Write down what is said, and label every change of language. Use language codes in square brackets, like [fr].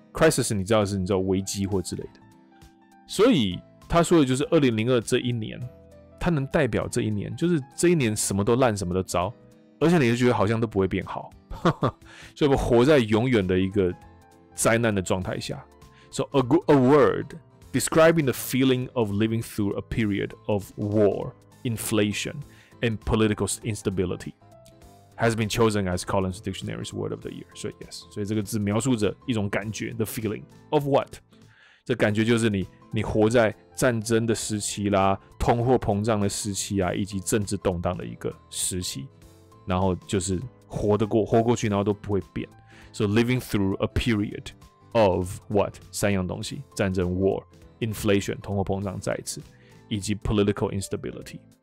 [zh] Crisis 你知道是你知道危机或之类的，所以他说的就是2002这一年，它能代表这一年，就是这一年什么都烂什么都糟，而且你就觉得好像都不会变好。所以我活在永远的一个灾难的状态下。 [en] So a word describing the feeling of living through a period of war, inflation, and political instability has been chosen as Collins Dictionary's word of the year. [zh] 所以 yes， 所以这个字描述着一种感觉 ， [en] the feeling of what？ [zh] 这感觉就是你活在战争的时期啦，通货膨胀的时期啊，以及政治动荡的一个时期，然后就是。活得过，活过去，然后都不会变。 [en] So living through a period of what？ [zh] 三样东西：战争 [en] （war）、inflation（ [zh] 通货膨胀再一次） [en] 以及 political instability。